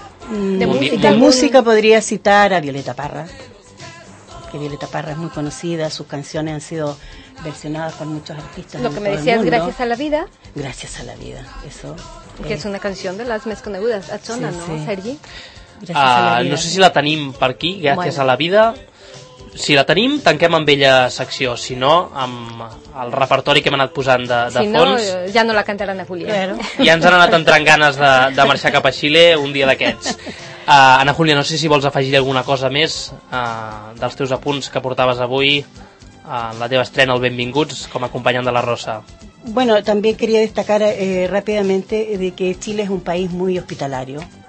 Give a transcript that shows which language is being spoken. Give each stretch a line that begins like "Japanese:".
Spanish: De música podría citar a Violeta Parra, que Violeta Parra es muy conocida, sus canciones han sido versionadas por muchos artistas. Lo que me decías, Gracias a la Vida. Gracias a la Vida, eso. Que es una canción de las más conocidas, Atsona, sí, ¿no, sí. Sergi?
Catalan: Gracias a la Vida. No sé si la tenim per aquí, Gracias bueno. a la Vida. Si la tenim, tanquem amb ella secció. Si no, amb el repertori que hem anat posant de si fons... Si no, ja no la cantaran a Julià. Ja ens han anat entrant ganes de marxar cap a Xile un dia d'aquests. Ana Julia, no sé si vols afegir alguna cosa més dels teus apunts que portaves avui en la teva estrena, el Benvinguts, com a acompanyant de la Rosa.
Spanish: Bueno, també quería destacar rápidamente de que Xile es un país muy hospitalario.